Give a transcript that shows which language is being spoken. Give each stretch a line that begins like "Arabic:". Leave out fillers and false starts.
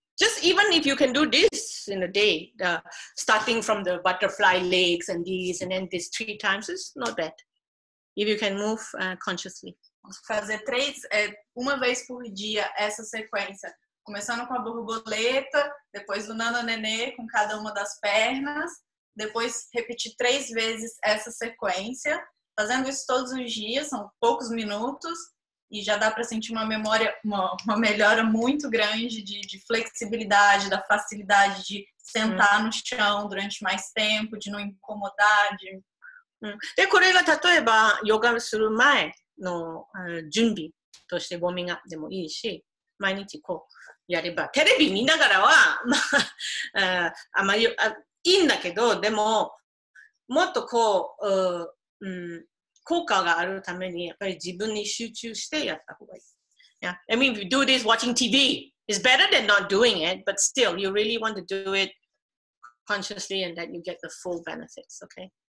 English: Just even if you can do this in a day, the starting from the butterfly legs and these, and then this three times, it's not bad. If you can move consciously.
Portuguese: Fazer três, uma vez por dia, essa sequência. Começando com a borboleta, depois o nananenê com cada uma das pernas, depois repetir três vezes essa sequência, fazendo isso todos os dias, são poucos minutos, e já dá para sentir uma memória, uma melhora muito grande de flexibilidade, da facilidade de sentar no chão durante mais tempo, de não incomodar. De...
Japanese: で、これが例えば、ヨガする前の準備として、ウォーミングアップでもいいし、毎日こう。やれば、テレビ見ながらは、まあ、あまりあいいんだけど、でも、もっとこう、効果があるために、やっぱり自分に集中してやった方がいい。
English: Yeah, I mean, if you do this watching TV, it's better than not doing it, but still, you really want to do it consciously and that you get the full benefits, okay?